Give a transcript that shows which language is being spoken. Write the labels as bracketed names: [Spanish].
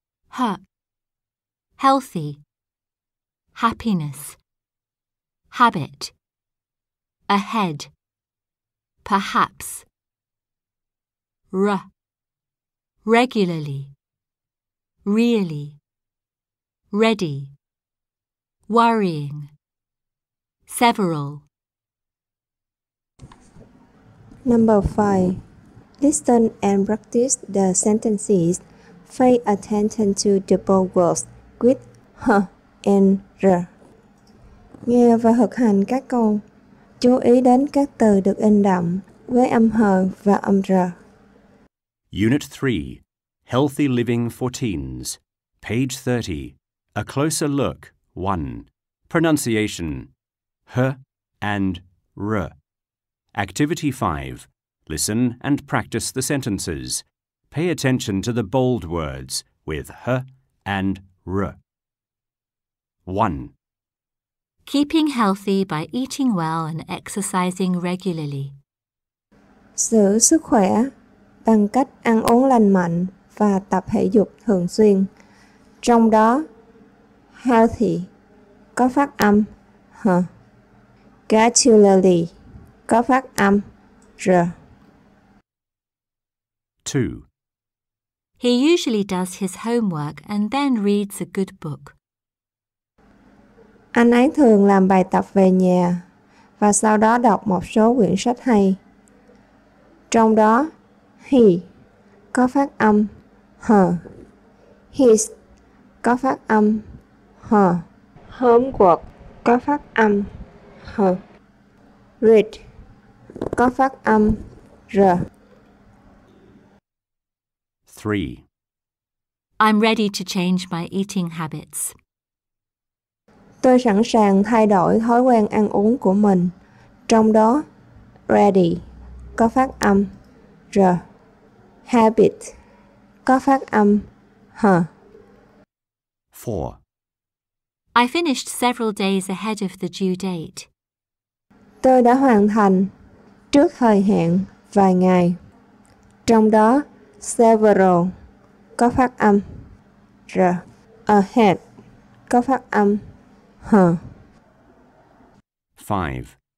[English] H. Healthy. Happiness. Habit. Ahead. Perhaps. R. Regularly. Really. Ready. Worrying. Several. Number 5. Listen and practice the sentences. Pay attention to the double words with H and R. [Vietnamese] Nghe và thực hành các câu. Chú ý đến các từ được in đậm với âm H và âm R. [English] Unit 3. Healthy Living for Teens. Page 30. A Closer Look. 1. Pronunciation. H and R. Activity 5. Listen and practice the sentences. Pay attention to the bold words with H and R. 1. Keeping healthy by eating well and exercising regularly. [Vietnamese] Giữ sức khỏe bằng cách ăn uống lành mạnh và tập thể dục thường xuyên. Trong đó, healthy có phát âm H. Regularly có phát âm R. 2. [English] He usually does his homework and then reads a good book. [Vietnamese] Anh ấy thường làm bài tập về nhà và sau đó đọc một số quyển sách hay. Trong đó, he có phát âm H. His có phát âm H. Homework có phát âm H. Read có phát âm R. 3. [English] I'm ready to change my eating habits. [Vietnamese] Tôi sẵn sàng thay đổi thói quen ăn uống của mình. Trong đó, ready có phát âm R. Habit có phát âm H. 4. [English] I finished several days ahead of the due date. [Vietnamese] Tôi đã hoàn thành trước thời hạn vài ngày. Trong đó, several có phát âm R. Ahead có phát âm H. 5.